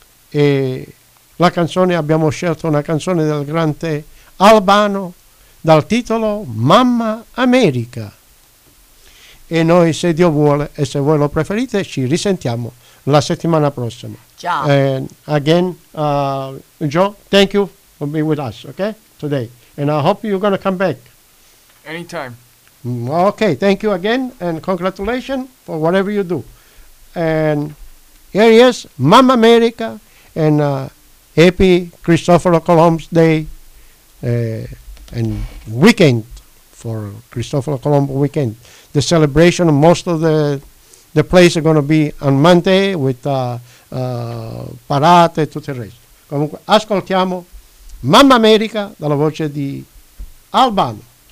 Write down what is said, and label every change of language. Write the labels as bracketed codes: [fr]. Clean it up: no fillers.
[it] E la canzone, abbiamo scelto una canzone del grande Albano dal titolo Mamma America. E noi, se Dio vuole e se voi lo preferite, ci risentiamo la settimana prossima. Ciao. [en] Joe, thank you for being with us, okay, today. And I hope you're going to come back. Anytime. Okay, thank you again and congratulations for whatever you do. And here he is, Mama America, and happy Cristoforo Colombo's Day and weekend for Cristoforo Colombo weekend. The celebration of most of the place are going to be on Monday with [it] parate e tutto il resto. Comunque, ascoltiamo Mama America dalla voce di Albano.